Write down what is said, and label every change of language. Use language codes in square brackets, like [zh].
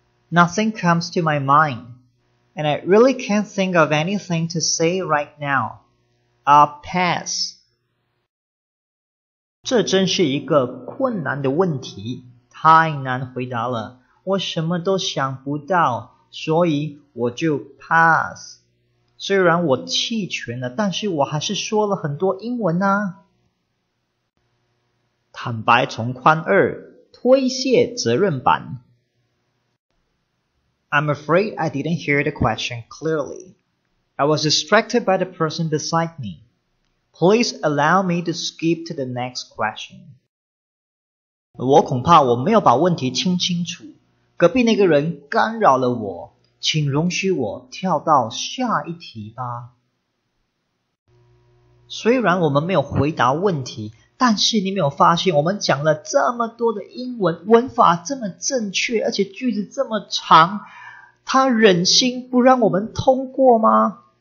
[en] Nothing comes to my mind, and I really can't think of anything to say right now. I'll pass. [zh] 这真是一个困难的问题，太难回答了，我什么都想不到，所以我就 pass。虽然我弃权了，但是我还是说了很多英文啊。坦白从宽二，推卸责任版。 [en] I'm afraid I didn't hear the question clearly. I was distracted by the person beside me. Please allow me to skip to the next question. [zh] 我恐怕我没有把问题听清楚，隔壁那个人干扰了我，请容许我跳到下一题吧。虽然我们没有回答问题，但是你没有发现我们讲了这么多的英文，文法这么正确，而且句子这么长，他忍心不让我们通过吗？